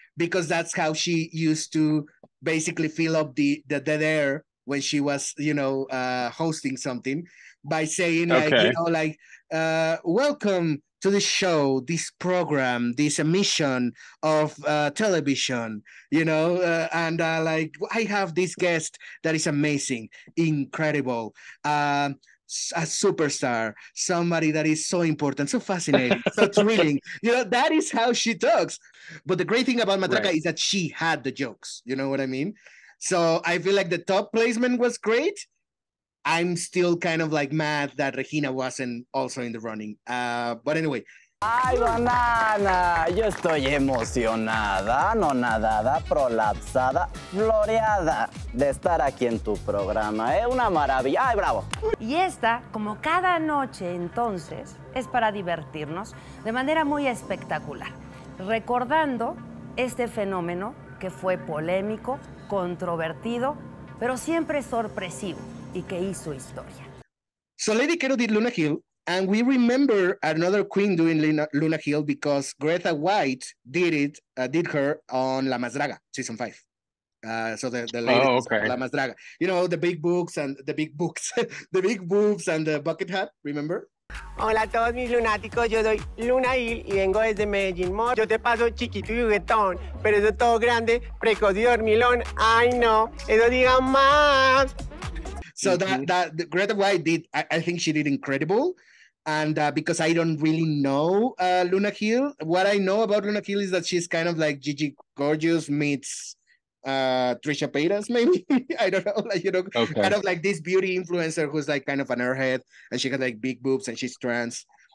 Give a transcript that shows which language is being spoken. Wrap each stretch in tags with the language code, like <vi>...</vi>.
<en>Because that's how she used to basically fill up the air when she was, you know, hosting something by saying, like, you know, like, welcome to the show, this program, this emission of television, you know, and I have this guest that is amazing, incredible, a superstar, somebody that is so important, so fascinating, so thrilling. You know, that is how she talks. But the great thing about Matraca is that she had the jokes. You know what I mean? So I feel like the top placement was great. I'm still kind of like mad that Regina wasn't also in the running. But anyway.</en> <es>Ay, banana. Yo estoy emocionada, no nadada, prolapsada, floreada de estar aquí en tu programa. Es una maravilla. Ay, bravo. Y esta, como cada noche entonces, es para divertirnos de manera muy espectacular. Recordando este fenómeno que fue polémico, controvertido, pero siempre sorpresivo y que hizo historia.</es> <en>So Lady Kero did Luna Hill, and we remember another queen doing Luna Hill because Greta White did her on La Más Draga, season 5.</en> <es>La Más Draga.</es> <en>You know, the big boobs and the bucket hat, remember?</en> <es>Hola a todos mis lunáticos, yo soy Luna Hill y vengo desde Medellín. Yo te paso chiquito y juguetón, pero eso todo grande, precoz y dormilón. Ay no, eso diga más.</es> <en>So that Greta White did, I think she did incredible. And because I don't really know Luna Hill, what I know about Luna Hill is that she's kind of like Gigi Gorgeous meets Trisha Paytas, maybe. I don't know, like, you know, kind of like this beauty influencer who's like kind of an airhead, and she has like big boobs and she's trans.</en>